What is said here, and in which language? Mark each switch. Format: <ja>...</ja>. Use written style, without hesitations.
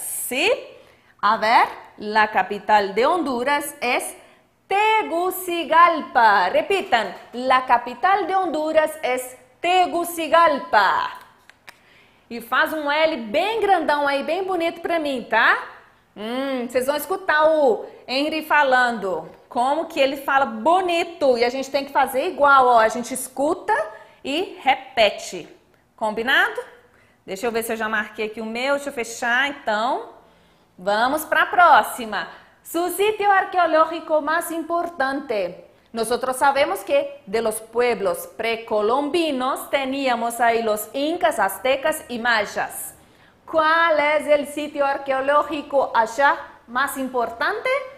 <es>¿Sí? A ver, la capital de Honduras es Tegucigalpa. Repitan, la capital de Honduras es Tegucigalpa. Y faz un L bien grandão ahí, bien bonito para mí, ¿tá?</es> <pt>Vocês vão escutar o Henry falando. Como que ele fala bonito e a gente tem que fazer igual, ó. A gente escuta e repete. Combinado? Deixa eu ver se eu já marquei aqui o meu, deixa eu fechar então. Vamos para a próxima.</pt> <es>Su sitio arqueológico más importante. Nosotros sabemos que de los pueblos precolombinos teníamos ahí los incas, aztecas y mayas. ¿Cuál es el sitio arqueológico allá más importante?</es>